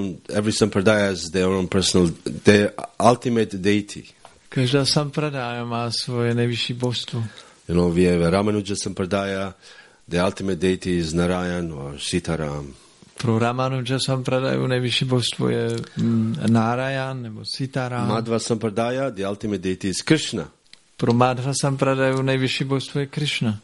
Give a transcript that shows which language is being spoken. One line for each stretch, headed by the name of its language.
English: Every sampradaya has their own personal, their ultimate deity.
Czech: Každá sampradaya má svoje nejvyšší božstvo.
English: You know, we have Ramanuja sampradaya, the ultimate deity is Narayan or Sitaram.
Czech: Pro Ramanuja Sampradaya nejvyšší božstvo je Narayan nebo Sitaram.
English: Madhva Sampradaya, the ultimate deity is Krishna.
Czech: Pro Madhva Sampradaya nejvyšší božstvo je Krishna.